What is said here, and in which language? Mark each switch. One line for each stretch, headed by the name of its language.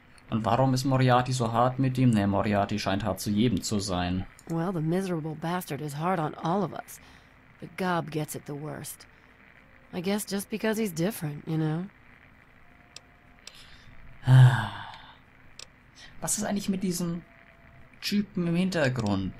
German: Und warum ist Moriarty so hart mit ihm? Ne, Moriarty scheint hart zu jedem zu sein.
English: Well, the miserable bastard is hard on all of us, but Gob gets it the worst. I guess just because he's different, you know?
German: Was ist eigentlich mit diesem Typen im Hintergrund?